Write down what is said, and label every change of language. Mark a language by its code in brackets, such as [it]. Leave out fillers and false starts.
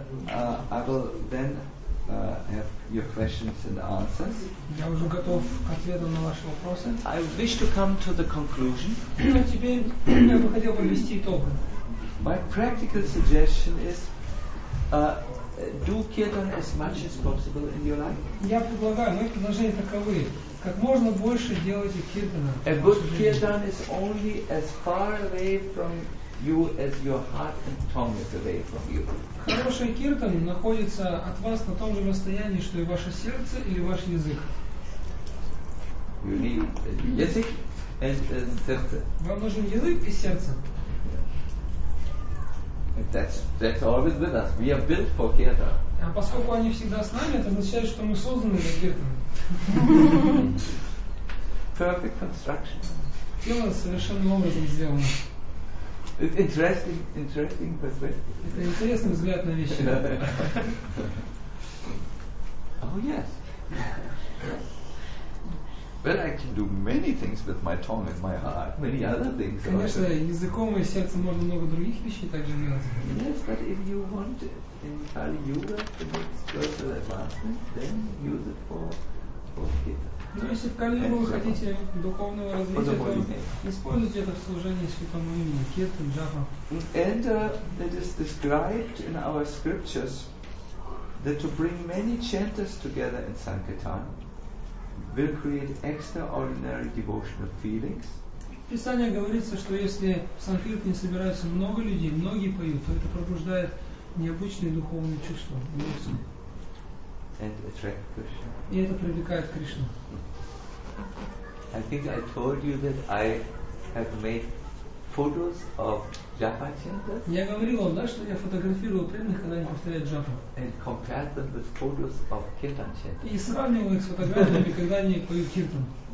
[en] I will then have your questions and answers. [ru] Я уже готов к ответам на ваши вопросы. [en] I wish to come to the conclusion. [ru] Теперь я бы хотел подвести итог. [en] My practical suggestion is do kirtan as much as possible in your life. [ru] Я предлагаю, мои предложения таковы. Как можно больше делайте киртана. [en] A good kirtan is only as far away from you as your heart and tongue is away from you. [ru] Хороший киртан находится от вас на том же расстоянии, что и ваше сердце или ваш язык. [en] You need [ru] язык [en] and [ru] сердце. Вам нужен язык и сердце. [en] Yeah. That's always with us. We are built for kirtan. [ru] А поскольку они всегда с нами, это означает, что мы созданы для киртана. [en] Perfect construction. [ru] Киртан совершенно образом сделан. [en] It's interesting perspective. [ru] Это интересный взгляд на вещи. [en] Oh yes. Well, I can do many things with my tongue and my heart. Many other things. [ru] Конечно, языком и сердцем можно много других вещей также делать. [en] Yes, but if you want in Kali Yuga to make spiritual advancement, then use it for kirtan. [ru] Ну, если в Кали Югу вы хотите духовного развития, то используйте это в служении Святому Имени, Киртан, Джапа. [en] And it is described in our scriptures that to bring many chanters together in Sankirtan will create extraordinary devotional feelings. [ru] В Писании говорится, что если в Санкиртане собираются много людей, многие поют, то это пробуждает необычные духовные чувства, эмоции. [en] And attract Krishna. [ru] И это привлекает Кришну. [en] I think I told you that I have made photos of Japa chanters. [ru] Я говорил вам, да, что я фотографировал преданных, когда они повторяют джапу. [en] And compared them with photos of kirtan chanters. [ru] И сравнивал их с фотографиями, когда они поют киртан.